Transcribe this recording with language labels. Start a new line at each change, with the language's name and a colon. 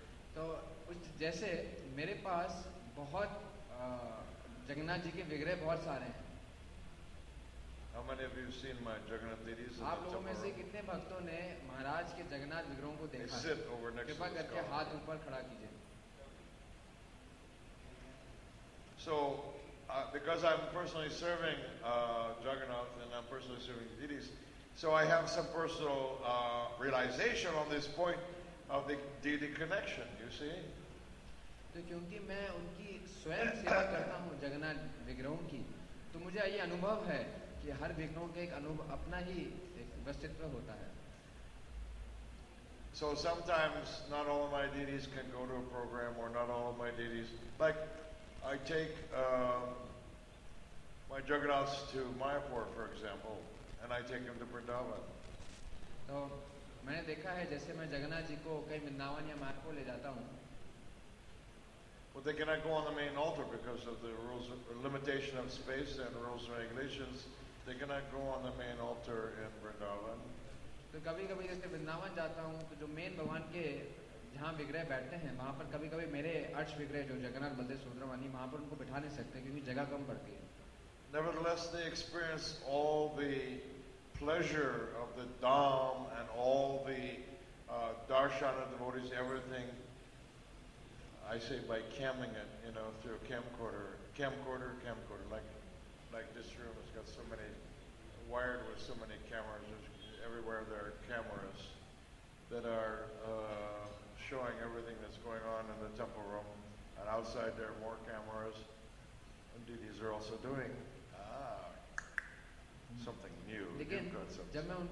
Hindi: तो जैसे मेरे पास बहुत जगन्नाथ जी के विग्रह बहुत सारे हैं।
English: How many of you have seen my Jagannath deities?
Hindi: आप लोगों में से कितने भक्तों ने महाराज के जगन्नाथ विग्रहों को देखा?
English: Sit over next to the skull.
Hindi: कृपा करके हाथ ऊपर खड़ा कीजिए।
English: So, because I'm personally serving Jagannath and I'm personally serving deities, so I have some personal realization on this point of the deity connection. You see?
Hindi: तो क्योंकि मैं उनकी स्वयं सेवा करता हूँ जगन्नाथ विग्रहों की, तो मुझे ये अनुभव है कि हर विग्रहों के एक अनुभव अपना ही एक व्यक्तित्व होता है।
English: So sometimes not all of my deities can go to a program or not all of my deities. Like I take my Jagannaths to Mayapur, for example, and I take them to Vrindavan.
Hindi: तो मैंने देखा है जैसे मैं जगन्नाथ जी को कहीं वृंदावन या मायापुर ले जाता हूँ।
English: But they cannot go on the main altar because of the rules of limitation of space and rules and regulations. They cannot go on the main altar in Vrindavan.
Hindi: तो कभी कभी जैसे वृंदावन जाता हूँ तो जो मेन भगवान के जहाँ विग्रह बैठते हैं वहाँ पर कभी कभी मेरे अर्श विग्रह जो जगन्नाथ बलदेव सुब्रमण्यम वहाँ पर उनको बिठा नहीं सकते क्योंकि जगह कम पड़ती है।
English: Nevertheless, they experience all the pleasure of the Dham and all the darshana devotees, everything. I say by camming it, you know, through a camcorder, like this room has got so many, wired with so many cameras, everywhere there are cameras that are showing everything that's going on in the temple room, and outside there are more cameras, and deities are also doing, something new.